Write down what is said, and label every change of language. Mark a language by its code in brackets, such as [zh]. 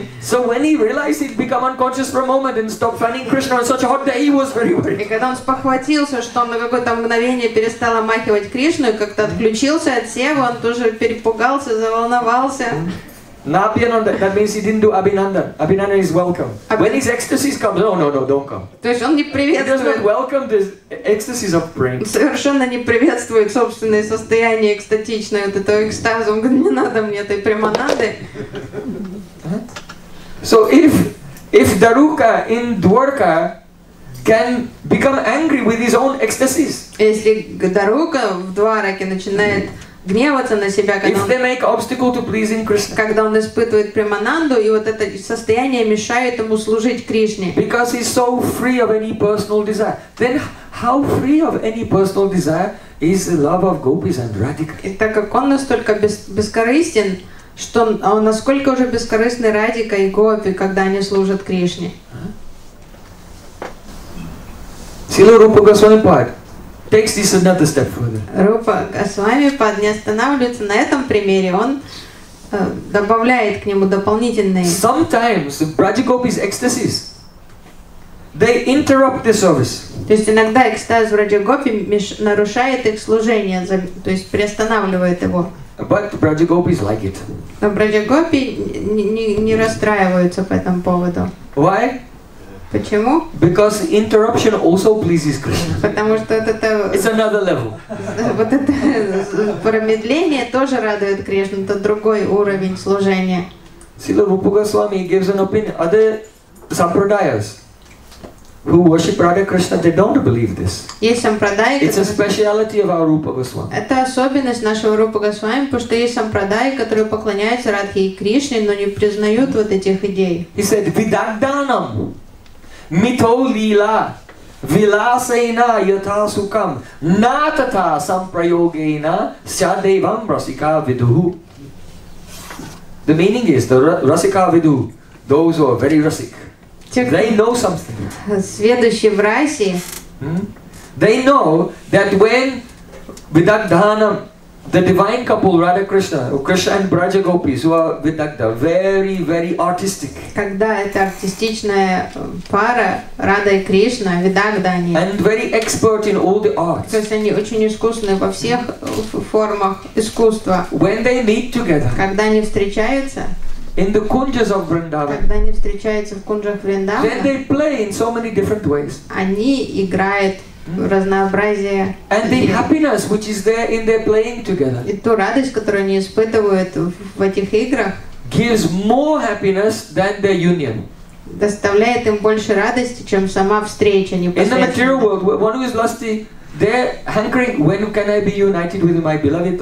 [en] So when he realized he'd become unconscious for a moment and stopped fanning Krishna on such a hot day, he was very worried. [ru] И когда он спохватился, что он на какое-то мгновение перестал омахивать Кришну и как-то отключился от Севы, он тоже перепугался, заволновался. [en] Abhinandan, that means he didn't do Abhinandan. Abhinandan is welcome. When his ecstasy comes, no, don't come. [ru] То есть он не приветствует. [en] He does not welcome the ecstasy of prince. [ru] Совершенно не приветствует собственное состояние экстатичное, вот этого экстаза. Он говорит, не надо мне этой премананды. [en] So if Daruka in Dwarka can become angry with his own ecstasies. [ru] Если Даруко в Двараке начинает гневаться на себя, когда он испытывает премананду, и вот это состояние мешает ему служить Кришне. [en] Because he's so free of any personal desire. Then how free of any personal desire is the love of gopis and Radhika? [ru] И так как он настолько бескорыстен, что он насколько уже бескорыстны Радика и гопи, когда они служат Кришне? [en] Сила Рупа Госвами Пад. Takes this another step further. [ru] Рупа Госвами Пад не останавливается на этом примере. Он добавляет к нему дополнительные. [en] Sometimes Brajagopis ecstasies. They interrupt the service. [ru] То есть иногда экстаз Брадигопи нарушает их служение, то есть приостанавливает его. [en] But Brajagopis like it. [ru] Но Брадигопи не расстраиваются по этому поводу. [en] Why? [ru] Почему? [en] Because interruption also pleases Krishna. [ru] Потому что это. [en] It's another level. [ru] Вот это промедление тоже радует Кришну, это другой уровень служения. [en] Сила Рупа Госвами gives an opinion. Other sampradayas who worship Radha Krishna, they don't believe this. [ru] Есть сампрадаи. [en] It's a speciality of our Рупа Госвами. [ru] Это особенность нашего Рупа Госвами, потому что есть сампрадаи, которые поклоняются Радхе и Кришне, но не признают вот этих идей. [en] He said, [sa] Vidagdanam. Mito lila vilasena yatasukam natata samprayogena sadevam rasika viduhu. [en] The meaning is the rasika vidu, those who are very rasik, they know something. [ru] Сведущие в расе. [en] They know that when vidagdhanam, the divine couple Radha Krishna, Krishna and Braja Gopis, who are Vidagdha, very, very artistic. [ru] Когда это артистичная пара Радха и Кришна, Vidagdha они. [en] And very expert in all the arts. [ru] То есть они очень искусны во всех формах искусства. [en] When they meet together. [ru] Когда они встречаются. [en] In the kunjas of Vrindavan. [ru] Когда они встречаются в кунджах Вриндавана. [en] Then they play in so many different ways. [ru] Они играют. Разнообразие. [en] And the happiness, which is there in their playing together. [ru] И ту радость, которую они испытывают в этих играх. [en] Gives more happiness than their union. [ru] Доставляет им больше радости, чем сама встреча непосредственно. [en] In the material world, one who is lusty They're hankering, when can I be united with my beloved?